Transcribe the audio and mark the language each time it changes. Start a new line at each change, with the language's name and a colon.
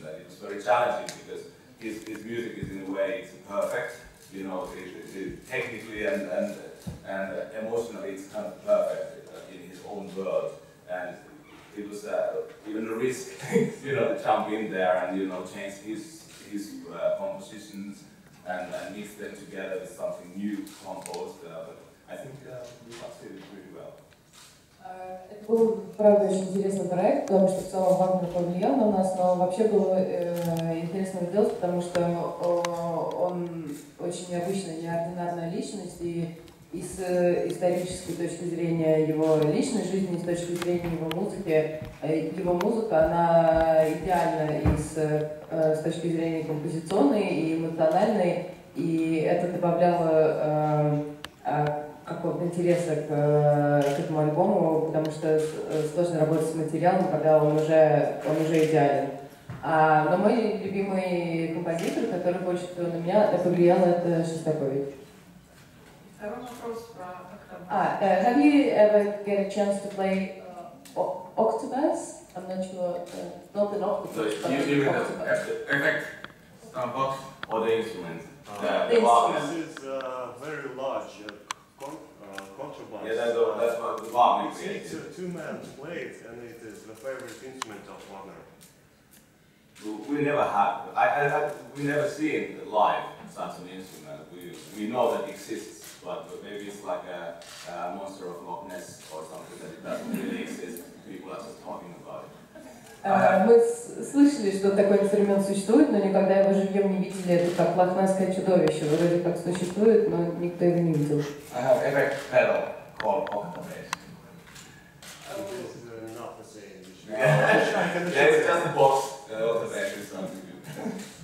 English: And it was very challenging because his music is in a way it's perfect, you know, technically and emotionally it's kind of perfect in his own world. And it was even a risk, you know, to jump in there and, you know, change his compositions. And mix them together with something new composed. But I think we succeeded pretty well.
Russian: Это был, правда, очень интересный проект, потому что в целом Вагнер повлиял на нас, но вообще было интересно его делать, потому что он очень необычная, неординарная личность, и с исторической точки зрения его личной жизни, с точки зрения его музыки, его музыка, она идеальна и с точки зрения композиционной, и эмоциональной, и это добавляло какого-то интереса к этому альбому, потому что сложно работать с материалом, когда он уже идеален. Но мой любимый композитор, который больше всего на меня повлиял, это Шостакович.
English: Have you ever get a chance to play octobass? I'm not sure. Not an octobass. So you mean the effect, box, or the instrument? The this is a very large contrabass. Yeah, that's what the Wagner created. It's a two-man plate, and it is the favorite instrument of Wagner. We never seen live such an instrument. We know that it exists. But maybe it's like a monster of Loch Ness or something that it doesn't really exist. People are just talking about it.
Russian: Мы слышали, что такой инструмент существует, но никогда его живьем не видели. Это как лохнесское чудовище. Вроде как существует, но никто его не видел.
English: I have effect pedal called octobass. This is not the same. It's just a box. Octobass is something new.